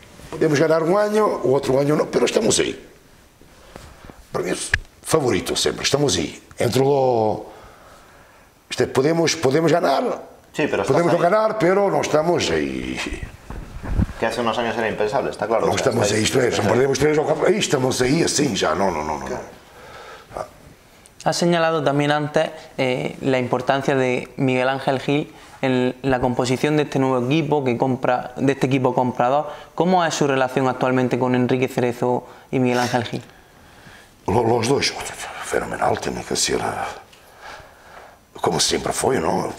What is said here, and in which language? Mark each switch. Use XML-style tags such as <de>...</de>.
<pt>Podemos ganhar um ano, o outro ano não, mas estamos aí. Para mim, favorito sempre, estamos aí. Entre o. Podemos ganhar.</pt> <es>Sí, pero</es> <pt>podemos não ganhar, mas não estamos aí. Que há uns anos era impensável, está claro. Não estamos aí, isto é, não perdemos 3 ou 4. Aí estamos aí, assim já, não. Claro.</pt> <es>Has señalado</es> <pt>também antes a importância</pt> <es>de Miguel Ángel Gil en la composición de este nuevo equipo que compra, de este equipo comprador.</es> <pt>Como é sua relação actualmente com Enrique Cerezo e Miguel Ángel Gil? Os dois, fenomenal, tem que ser como sempre foi, não?</pt>